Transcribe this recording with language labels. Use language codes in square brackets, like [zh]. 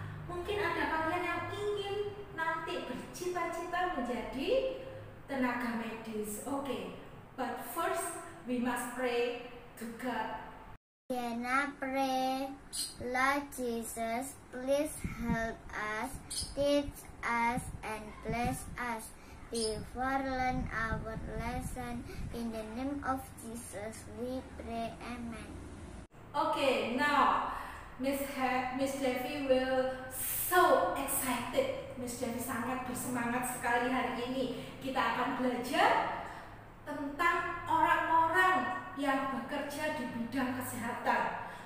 [id] Mungkin ada kalian yang ingin nanti bercita-cita menjadi tenaga medis. [en] Okay, but first we must pray to God. Can I pray? Lord Jesus, please help us, teach us, and bless us before learn our lesson. In the name of Jesus, we pray. Amen. Okay, now Miss Devi will so excited. [id] Miss Devi sangat bersemangat sekali hari ini. Kita akan belajar tentang orang-orang yang bekerja di bidang kesehatan.